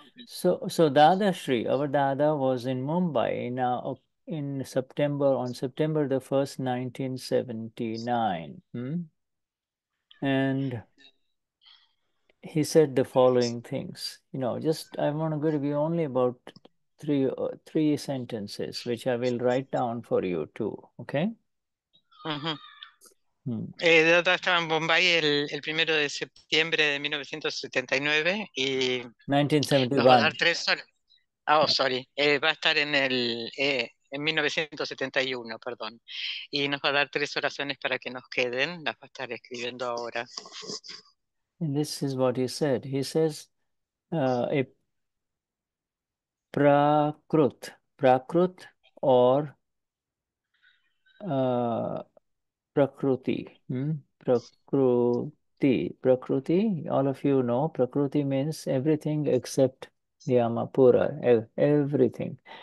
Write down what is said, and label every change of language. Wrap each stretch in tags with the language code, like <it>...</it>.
<en>So Dadashri, our Dada was in Mumbai in September, on September the 1st, 1979. And he said the following things. You know, just I want to give you only about three sentences, which I will write down for you too. Okay?</en> <es>Dada estaba en Bombay el primero de septiembre de 1979 y 1971. Va a estar en el en 1971, perdón, y nos va a dar tres oraciones para que nos queden, las va a estar escribiendo ahora.</es> <en>And this is what he said. He says prakrut or Prakruti, Prakruti, Prakruti, all of you know, Prakruti means everything except Yamapura, everything.</en>